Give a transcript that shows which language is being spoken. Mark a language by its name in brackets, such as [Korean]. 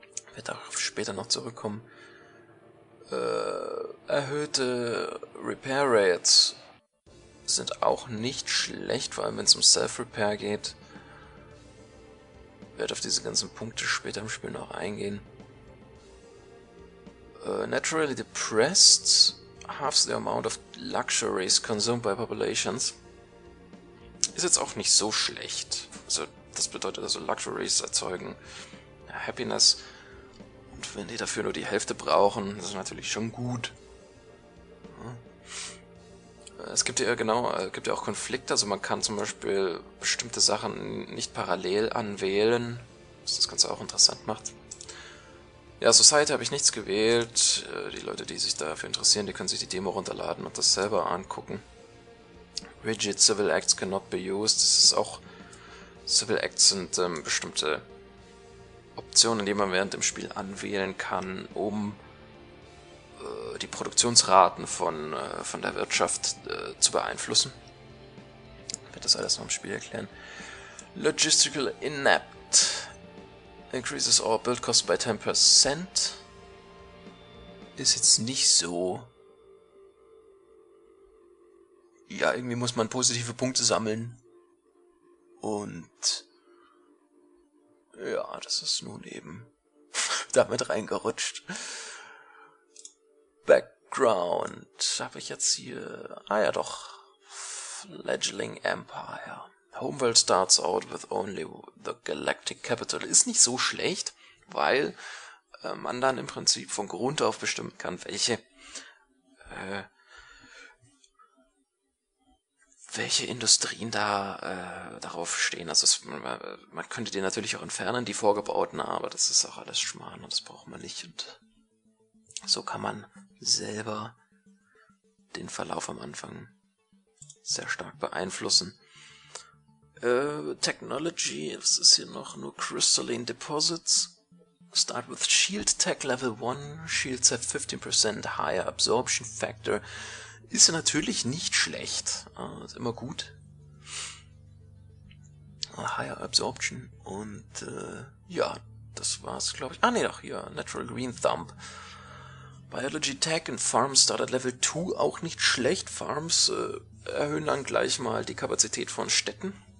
[German] Ich werde auch später noch zurückkommen. Erhöhte Repair Rates sind auch nicht schlecht, vor allem wenn es um Self-Repair geht. Ich werde auf diese ganzen Punkte später im Spiel noch eingehen. [English] Naturally depressed halves the amount of luxuries consumed by populations. [German] Ist jetzt auch nicht so schlecht. Also das bedeutet, also Luxuries erzeugen Happiness. Und wenn die dafür nur die Hälfte brauchen, das ist natürlich schon gut. Es gibt ja auch Konflikte, also man kann zum Beispiel bestimmte Sachen nicht parallel anwählen, was das Ganze auch interessant macht. Ja, Society habe ich nichts gewählt. Die Leute, die sich dafür interessieren, die können sich die Demo runterladen und das selber angucken. [English] Rigid Civil Acts cannot be used. [German] Das ist auch, Civil Acts sind bestimmte Optionen, die man während dem Spiel anwählen kann, um die Produktionsraten von der Wirtschaft zu beeinflussen. Ich werde das alles noch im Spiel erklären. [English] Logistical Inept increases all build costs by 10%. [German] Ist jetzt nicht so. Ja, irgendwie muss man positive Punkte sammeln. Und ja, das ist nun eben damit reingerutscht. Background. Habe ich jetzt hier... Ah ja, doch. [English] Fledgling Empire. Homeworld starts out with only the Galactic Capital. [German] Ist nicht so schlecht, weil man dann im Prinzip von Grund auf bestimmen kann, welche Industrien da darauf stehen. Also man könnte die natürlich auch entfernen, die vorgebauten, aber das ist auch alles Schmarrn und das braucht man nicht. Und so kann man selber den Verlauf am Anfang sehr stark beeinflussen. Technology, was ist hier noch? Nur Crystalline Deposits. [English] Start with Shield Tech Level 1. Shields have 15% higher Absorption Factor. [German] Ist natürlich nicht schlecht. Ist immer gut. [English] Higher Absorption. [German] Und ja, das war's, glaube ich. Ah, nee, doch, hier. Natural Green Thumb. [English] Biology Tech and Farms start at Level 2. [German] Auch nicht schlecht. Farms erhöhen dann gleich mal die Kapazität von Städten.